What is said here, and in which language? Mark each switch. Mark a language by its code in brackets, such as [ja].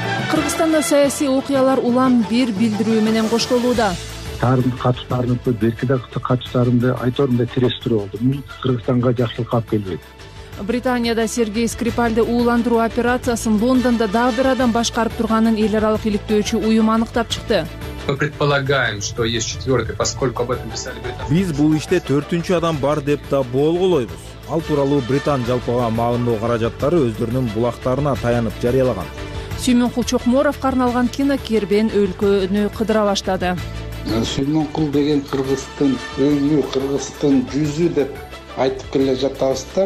[ky] Кыргызстанда саясий окуялар улам бир билдирүү менен коштолууда. Таарымды катыштарымды, беркидагы катыштарымды айтормунда тиресиздер болду. Кыргызстанга жакшылык алып келбейт. Британияда Сергей Скрипальды ууландыруу операциясын Лондондо дагы бир адам башкарып турганын эл аралык иликтөөчү уюм аныктап чыкты. [ru] Мы предполагаем, что есть четвертый, поскольку об этом писали британцы. [ky] Биз бул иште төртүнчү адам бар деп да болголойбуз. Ал тууралуу Британ жалпыга маалымдоо каражаттары өздөрүнүн булактарына таянып жарыялаган. Сүймөнкул Чокморовго арналган кино Кербен өлкөнү кыдыра баштады. Сүймөнкул деген кыргыздын өйү, кыргыздын жүзү деп айтып келе жатабыз да.